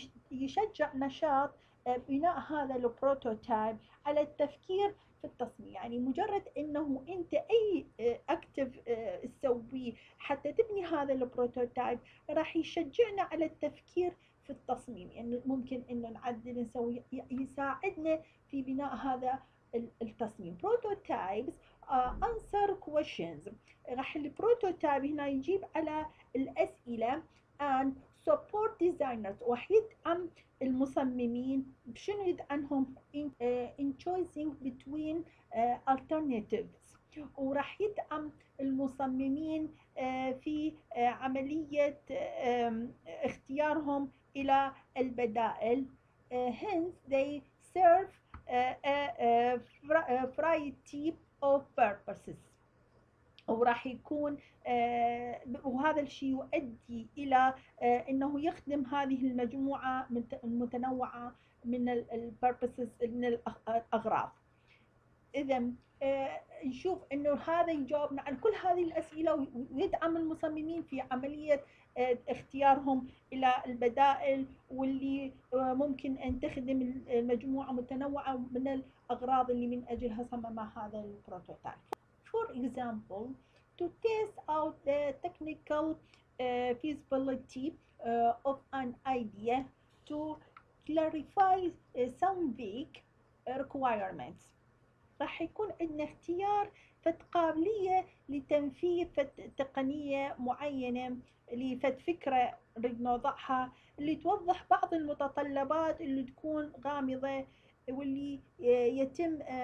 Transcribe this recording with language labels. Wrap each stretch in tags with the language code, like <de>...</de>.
<ar>يشجع نشاط بناء هذا البروتوتايب على التفكير في التصميم. يعني مجرد انه انت اي اكتف تسويه حتى تبني هذا البروتوتايب راح يشجعنا على التفكير في التصميم. يعني ممكن انه نعدل نسوي يساعدنا في بناء هذا التصميم.</ar> <en>Prototypes answer questions.</en> <ar>راح البروتوتايب هنا يجيب على الأسئلة</ar> <en>and support designers</en> <ar>راح يدعم المصممين بشنو يدعمهم</ar> <en>in choosing between alternatives</en> <ar>وراح يدعم المصممين في عملية اختيارهم إلى البدائل.</ar> <en>Hence they serve a variety of purposes</en> <ar>وراح يكون وهذا الشيء يؤدي إلى أنه يخدم هذه المجموعة المتنوعة من الـ purposes من الأغراض. إذا نشوف أنه هذا يجاوبنا على كل هذه الأسئلة ويدعم المصممين في عملية اختيارهم إلى البدائل واللي ممكن أن تخدم المجموعة متنوعة من الأغراض اللي من أجلها صمم هذا البروتوتايب.</ar> <en>For example, to test out the technical feasibility of an idea to clarify some vague requirements.</en> <ar>راح يكون عندنا اختيار فد قابلية لتنفيذ فد تقنية معينة لفد فكرة نريد نوضحها اللي توضح بعض المتطلبات اللي تكون غامضة واللي يتم</ar>